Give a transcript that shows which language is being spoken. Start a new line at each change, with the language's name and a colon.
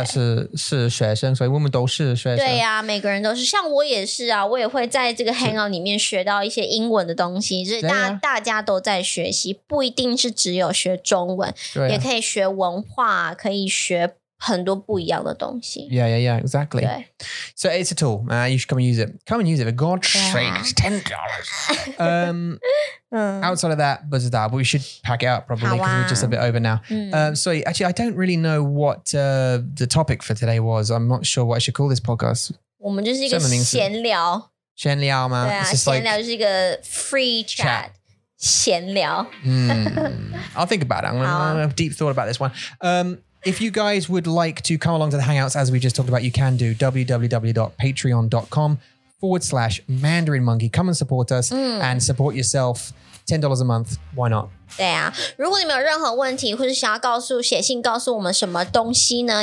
Chinese: 大家是学生, 所以我们都是学生, 对啊, 每个人都是, 像我也是啊, 我也会在这个hangout里面 学到一些英文的东西, 就是大家都在学习, 不一定是只有学中文, 也可以学文化, 可以学很多不一样的东西,
English: yeah, yeah, yeah, exactly,
Chinese: 对,
English: so it's a tool, you should come and use it, come and use it, for God's sake, it's $10, outside of that, buzzada, but we should pack it up probably because we're just a bit over now. Sorry, actually, I don't really know what the topic for today was. I'm not sure what I should call this podcast.
Chinese: 我们就是一个闲聊。闲聊吗? 闲聊就是一个
English: free chat.
Chinese: 闲聊。
English: I'll think about it. I'm going to have a deep thought about this one. If you guys would like to come along to the Hangouts, as we just talked about, you can do www.patreon.com/MandarinMonkey. Come and support us and support yourself. $10 a month. Why not?
Chinese: 对啊, 如果你们有任何问题, 或是想要告诉, 写信告诉我们什么东西呢?